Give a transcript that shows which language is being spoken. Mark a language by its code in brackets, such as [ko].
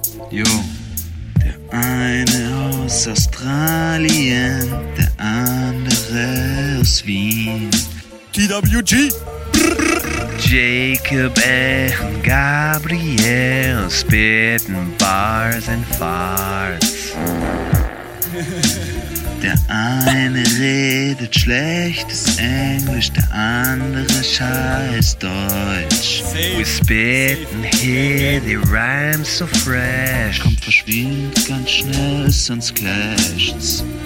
[de] Jo, der eine aus Australien, der andere aus Wien. [en] TWG. Jacob and Gabriel spitting bars and farts. [de] Der eine redet schlechtes Englisch, der andere scheiß Deutsch. [en] We spitting here, the rhymes so fresh. [de] Kommt, verschwind ganz schnell, sonst clasht's.